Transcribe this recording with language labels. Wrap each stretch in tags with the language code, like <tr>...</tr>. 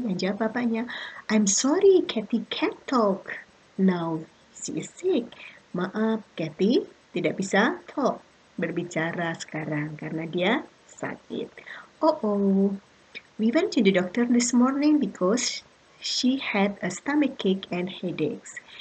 <id>Yang jawab bapaknya,</id> <en>I'm sorry, Katie can't talk. No, she is sick.</en> <id>Maaf, Katie tidak bisa talk, berbicara sekarang karena dia sakit. Oh.</id> <en>We went to the doctor this morning because she had a stomachache and headaches.</en>